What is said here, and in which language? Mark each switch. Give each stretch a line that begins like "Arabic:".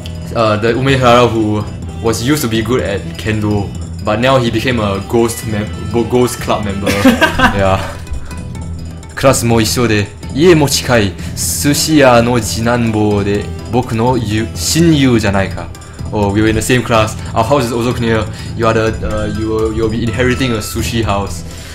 English: The 梅原 who was used to be good at 剣道。 But now he became a ghost club member. Yeah.
Japanese: クラスも一緒で、家も近い、寿司屋の次男坊で、僕の親友じゃないか。
English: Oh, we were in the same class. Our house is also near. You are the, you'll be inheriting a sushi house.